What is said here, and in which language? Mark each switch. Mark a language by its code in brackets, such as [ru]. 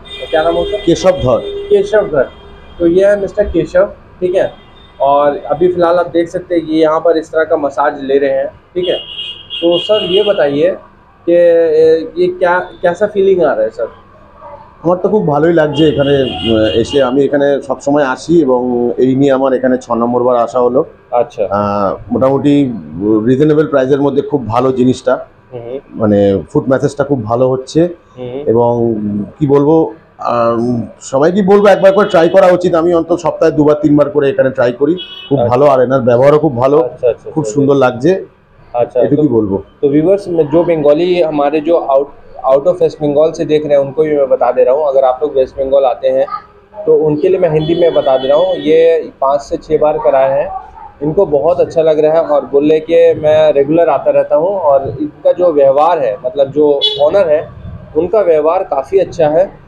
[hi] क्या नाम हो सर? केशव धर। केशव धर, तो ये है मिस्टर केशव, ठीक है। और अभी फ़िलहाल आप देख सकते हैं ये यहाँ पर इस तरह का मसाज ले रहे हैं, ठीक है। तो सर ये बताइए कि ये क्या कैसा फीलिंग आ रहा है सर? [bn] আমার তো খুব ভালোই লাগছে এখানে এসে। আমি এখানে সবসময় আসি এবং এই নিয়ে আমার এখানে ছ নম্বরবার আসা হলো। আচ্ছা, মোটামুটি রিজনেবল প্রাইসের মধ্যে খুব ভালো জিনিসটা, মানে ফুড ম্যাসেজটা খুব ভালো হচ্ছে এবং কি বলবো, সবাই কি বলবো, একবার করে ট্রাই করা উচিত। আমি অন্তত সপ্তাহে দুবার তিনবার করে এখানে ট্রাই করি, খুব ভালো। আর এনার ব্যবহারও খুব ভালো, খুব সুন্দর লাগছে। আচ্ছা, এটুকুই বলবো। তো ভিউয়ার্স, যে বেঙ্গলি আমাদের যে [hi] आउट ऑफ वेस्ट बंगाल से देख रहे हैं उनको भी मैं बता दे रहा हूँ। अगर आप लोग वेस्ट बंगाल आते हैं तो उनके लिए मैं हिंदी में बता दे रहा हूँ, ये 5 से 6 बार कराए हैं, इनको बहुत अच्छा लग रहा है। और बोल रहे कि मैं रेगुलर आता रहता हूँ और इनका जो व्यवहार है, मतलब जो ऑनर है उनका व्यवहार काफ़ी अच्छा है।